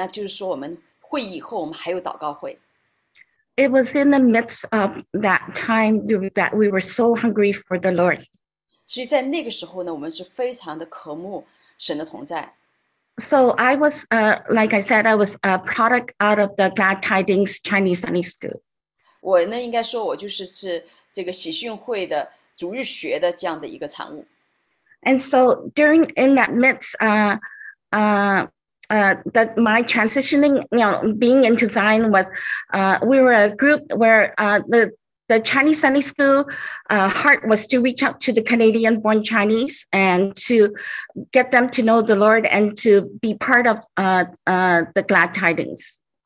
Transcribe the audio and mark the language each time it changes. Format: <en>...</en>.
<zh>所以我就是来只是加上就是Winnie所讲的，就是当时我们在喜讯会早晨的时候呢，我们有这个就是敬拜前的那个会议，然后我们的这个会议结束呢，我们还有一个会后会，那就是说我们会议以后我们还有祷告会。</zh> <en>It was in the midst of that time that we were so hungry for the Lord.</en> <zh>所以在那个时候呢，我们是非常的渴慕神的同在。</zh> <en>So I was, like I said, I was a product out of the Glad Tidings Chinese Sunday School.</en> <zh>我呢，应该说我就是这个喜讯会的主日学的这样的一个产物。</zh> <en>And so during in that midst, that my transitioning, you know, being into Zion was, we were a group where the Chinese Sunday School heart was to reach out to the Canadian-born Chinese and to get them to know the Lord and to be part of the Glad Tidings.</en>